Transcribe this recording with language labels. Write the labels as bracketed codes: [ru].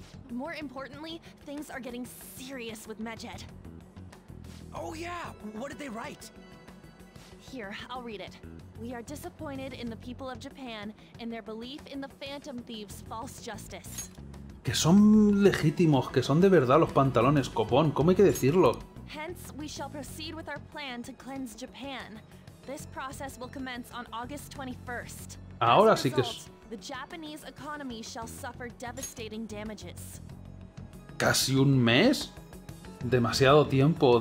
[en] More importantly, things are getting serious with Mejed. Oh yeah! What did they write? Here, I'll read it. We are disappointed in the people of Japan and their belief in the Phantom Thieves' false justice. [es] Que son legítimos, que son de verdad los pantalones, copón. ¿Cómo hay que decirlo? [en] Hence, we shall proceed with our plan to cleanse Japan. This process will commence on August 21st. [es] Ahora sí que es. [en] The Japanese economy shall suffer devastating damages. [es] ¿Casi un mes? Demasiado tiempo.